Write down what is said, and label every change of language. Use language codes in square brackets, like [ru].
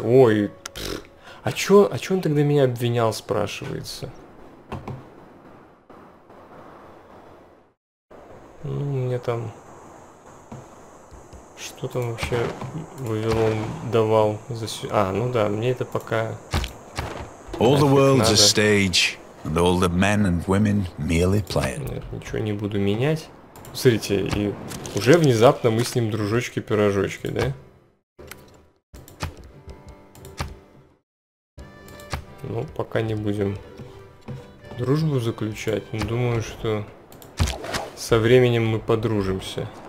[ru] Ой, а чё он тогда меня обвинял, спрашивается? Ну, мне там... Что там вообще Вавилон давал за... А, ну да, мне это пока... [en] All the world's a stage, and all the men and women merely play. [ru] Нет, ничего не буду менять. Смотрите, и уже внезапно мы с ним дружочки-пирожочки, да? Ну, пока не будем дружбу заключать. Но думаю, что со временем мы подружимся.